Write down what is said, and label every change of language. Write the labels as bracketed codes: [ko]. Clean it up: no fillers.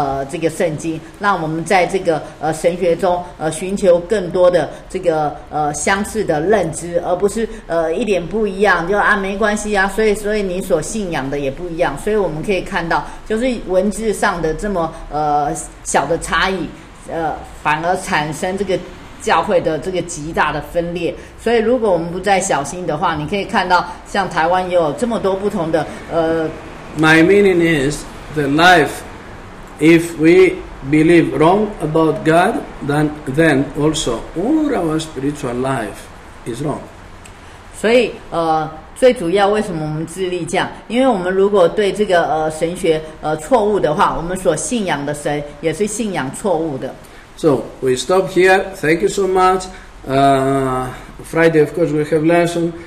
[zh] 这个圣经，让我们在这个神学中寻求更多的这个相似的认知，而不是一点不一样就啊没关系啊，所以你所信仰的也不一样，所以我们可以看到就是文字上的这么小的差异反而产生这个教会的这个极大的分裂，所以如果我们不再小心的话，你可以看到像台湾也有这么多不同的 [en] My meaning is the life. If we believe wrong about God, then also all our spiritual life is wrong. [zh] 所以最主要为什么我们致力这样？因为我们如果对这个神学错误的话，我们所信仰的神也是信仰错误的。 [en] So we stop here. Thank you so much. Friday, of course, we have lesson.